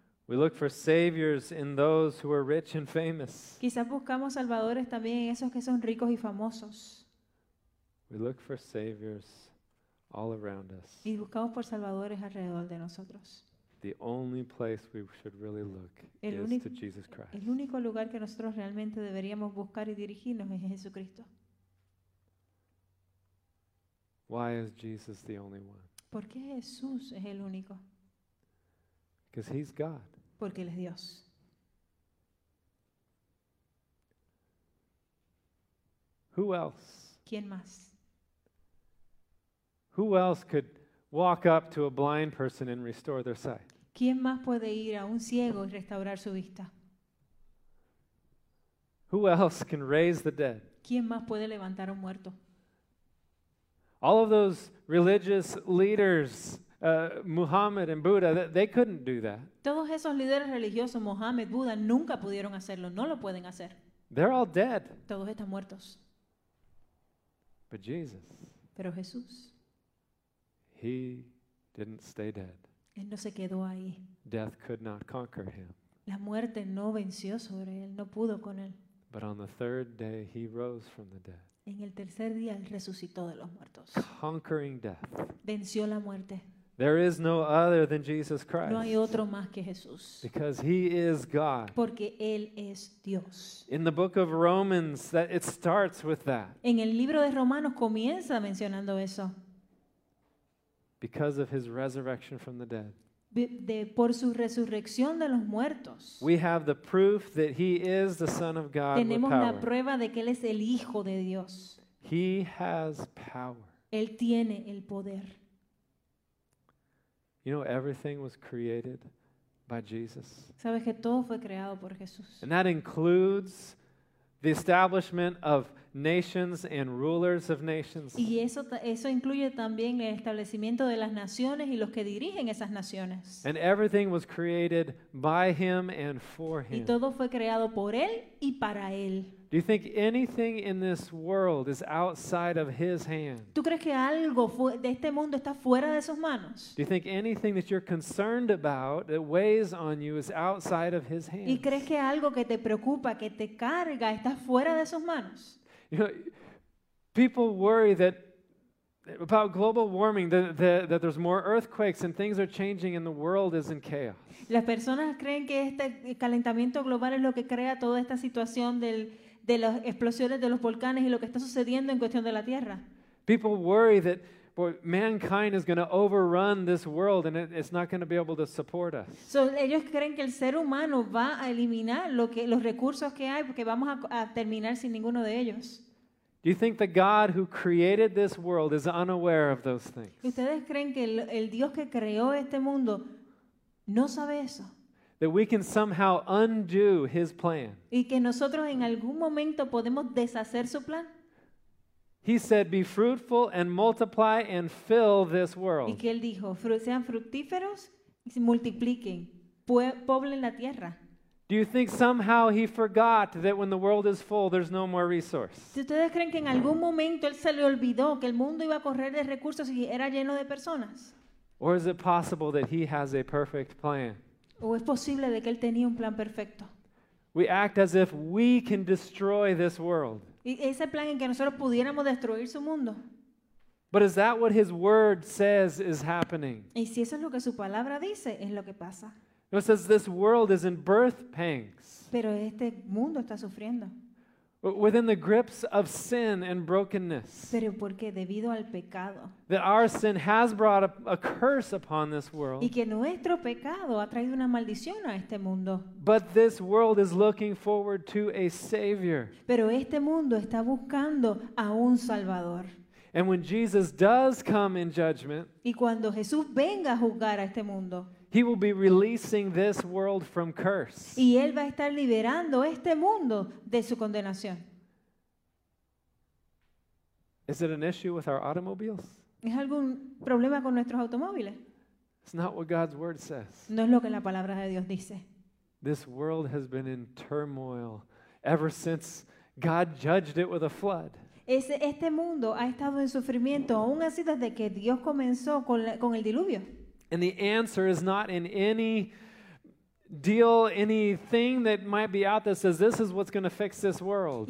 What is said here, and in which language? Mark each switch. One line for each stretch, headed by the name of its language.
English: We look for saviors in those who are rich and famous.
Spanish: Quizás buscamos salvadores también en esos que son ricos y famosos.
English: We look for saviors all around us.
Spanish: Y buscamos por salvadores alrededor de nosotros.
English: The only place we should really look is to Jesus Christ.
Spanish: El único lugar que nosotros realmente deberíamos buscar y dirigirnos es Jesucristo.
English: Why is Jesus the only one?
Spanish: ¿Por qué Jesús es el único?
English: Because he's God.
Spanish: Porque él es Dios.
English: Who else?
Spanish: ¿Quién más?
English: Who else could walk up to a blind person and restore their sight?
Spanish: ¿Quién más puede ir a un ciego y restaurar su vista?
English: Who else can raise the dead?
Spanish: ¿Quién más puede levantar a un muerto?
English: All of those religious leaders, Muhammad and Buddha, they couldn't do that.
Spanish: Todos esos líderes religiosos, Muhammad, Buddha, nunca pudieron hacerlo. No lo pueden hacer.
English: They're all dead.
Spanish: Todos están muertos.
English: But Jesus.
Spanish: Pero Jesús.
English: He didn't stay dead.
Spanish: Él no se quedó ahí.
English: Death could not conquer him.
Spanish: La muerte no venció sobre él, no pudo con él.
English: But on the third day he rose from the dead.
Spanish: En el tercer día él resucitó de los muertos.
English: Conquering death.
Spanish: Venció la muerte.
English: There is no other than Jesus Christ.
Spanish: No hay otro más que Jesús.
English: Because he is God.
Spanish: Porque él es Dios.
English: In the book of Romans, that it starts with that.
Spanish: En el libro de Romanos comienza mencionando eso.
English: Because of his resurrection from the dead.
Spanish: De por su resurrección de los muertos.
English: We have the proof that he is the Son of God.
Spanish: Tenemos
English: with power.
Spanish: La prueba de que él es el Hijo de Dios.
English: He has power.
Spanish: Él tiene el poder.
English: You know, everything was created by Jesus.
Spanish: Sabes que todo fue creado por Jesús.
English: And that includes the establishment of nations and rulers of nations.
Spanish: Y eso incluye también el establecimiento de las naciones y los que dirigen esas naciones.
English: And everything was created by him and for him.
Spanish: Y todo fue creado por él y para él.
English: Do you think anything in this world is outside of his hand?
Spanish: ¿Tú crees que algo de este mundo está fuera de sus manos?
English: Do you think anything that you're concerned about that weighs on you is outside of his hands?
Spanish: ¿Y crees que algo que te preocupa, que te carga, está fuera de sus manos?
English: You know, people worry that about global warming, that there's more earthquakes and things are changing and the world is in chaos.
Spanish: Las personas creen que este calentamiento global es lo que crea toda esta situación de las explosiones de los volcanes y lo que está sucediendo en cuestión de la Tierra.
English: People worry that mankind is going to overrun this world and it's not going to be able to support us.
Spanish: So ellos creen que el ser humano va a eliminar los recursos que hay porque vamos a terminar sin ninguno de ellos.
English: Do you think the God who created this world is unaware of those things?
Spanish: ¿Ustedes creen que el Dios que creó este mundo no sabe eso?
English: That we can somehow undo his plan.
Spanish: ¿Y que nosotros en algún momento podemos deshacer su plan?
English: He said, "Be fruitful and multiply and fill this world."
Spanish: Y que él dijo, sean fructíferos y se multipliquen, pueblen la tierra.
English: Do you think somehow he forgot that when the world is full, there's no more resource?
Spanish: ¿Ustedes creen que en algún momento él se le olvidó que el mundo iba a correr de recursos y era lleno de personas?
English: Or is it possible that he has a perfect plan?
Spanish: ¿O es posible de que él tenía un plan perfecto?
English: We act as if we can destroy this world.
Spanish: ¿Y ese plan en que nosotros pudiéramos destruir su mundo?
English: But is that what his word says is happening?
Spanish: ¿Y si eso es lo que su palabra dice, es lo que pasa?
English: It says this world is in birth pangs.
Spanish: Pero este mundo está sufriendo.
English: Within the grips of sin and brokenness.
Spanish: Pero ¿por qué? Debido al pecado.
English: That our sin has brought a curse upon this world.
Spanish: Y que nuestro pecado ha traído una maldición a este mundo.
English: But this world is looking forward to a savior.
Spanish: Pero este mundo está buscando a un salvador.
English: And when Jesus does come in judgment.
Spanish: Y cuando Jesús venga a juzgar a este mundo.
English: He will be releasing this world from curse.
Spanish: Y él va a estar liberando este mundo de su condenación.
English: Is it an issue with our automobiles?
Spanish: ¿Es algún problema con nuestros automóviles?
English: It's not what God's word says.
Spanish: No es lo que la palabra de Dios dice.
English: This world has been in turmoil ever since God judged it with a flood.
Spanish: Este mundo ha estado en sufrimiento aún así desde que Dios comenzó con el diluvio.
English: And the answer is not in any deal, anything that might be out there says this is what's going to fix this world.